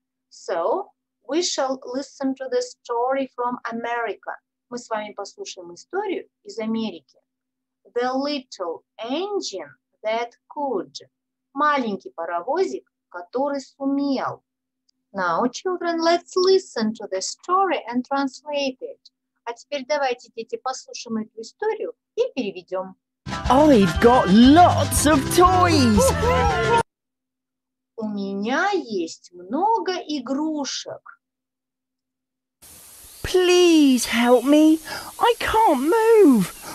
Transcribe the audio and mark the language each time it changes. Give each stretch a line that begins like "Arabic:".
English: So, we shall listen to the story from America.
Russian: Мы с вами послушаем историю из Америки.
English: The little engine that could.
Russian: Маленький паровозик, который сумел.
English: Now, children, let's listen to the story and translate it.
Russian: А теперь давайте, дети, послушаем эту историю и переведем.
English: I've got lots of toys.
Russian: У меня есть много игрушек.
English: Please help me. I can't move.